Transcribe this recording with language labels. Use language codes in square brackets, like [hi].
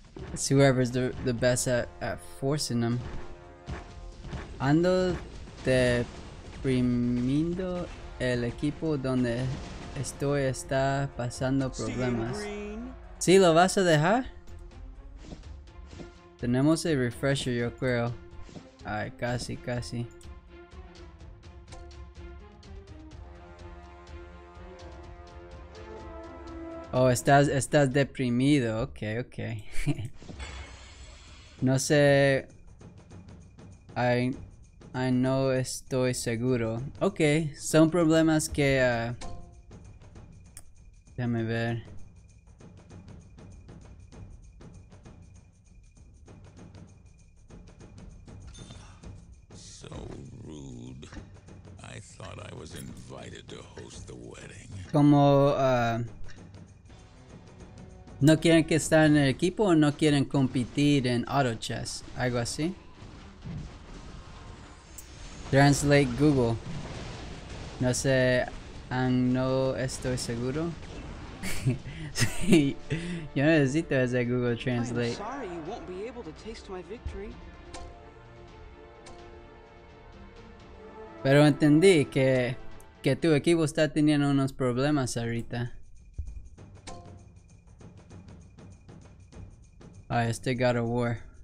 [en] Let's see whoever's the best at forcing them. [es] Ando de exprimiendo el equipo donde estoy está pasando problemas. ¿Sí lo vas a dejar? Tenemos el refresher, yo creo. Ay, casi, casi. Oh, estás deprimido. Ok. No sé. I no estoy seguro. Ok, son problemas que... déjame ver. [en] So rude. I thought I was invited to host the wedding. [es] Como... ¿no quieren que estén en el equipo o no quieren competir en auto chess? Algo así. [en] Translate Google. [es] No sé, no estoy seguro. Sí, yo necesito ese Google Translate. [en] Sorry, you won't be able to taste my victory. [es] Pero entendí que tu equipo está teniendo unos problemas ahorita. Ah, este God of War.